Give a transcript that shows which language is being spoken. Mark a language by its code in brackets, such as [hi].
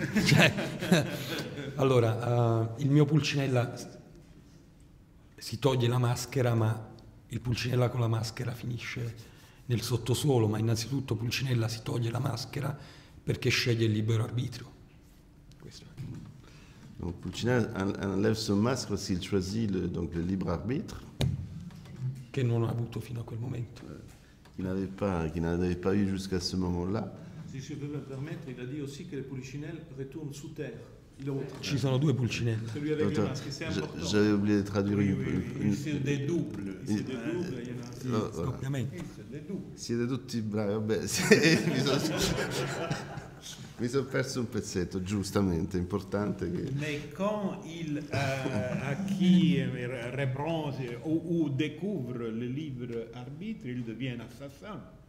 [it] Cioè, allora, il mio Pulcinella si toglie la maschera, ma il Pulcinella con la maschera finisce nel sottosuolo, ma innanzitutto Pulcinella si toglie la maschera perché sceglie il libero arbitrio. [fr] Donc, Pulcinella enlève son masque parce qu'il choisit le libre arbitre. [it] Che non ha avuto fino a quel momento. [fr] Qui n'avait pas eu jusqu'à ce moment-là. Si je peux me permettre, il a dit aussi que le Pulcinella retourne sous terre. [it] Ci sono due Pulcinella. [fr] Celui avec le masque, c'est important. J'avais oublié de traduire. Oui, oui, [it] mi sono perso un pezzetto, giustamente, importante. Che... [fr] Ma quand il a chi rebronze ou découvre le libre arbitre, il devient assassin.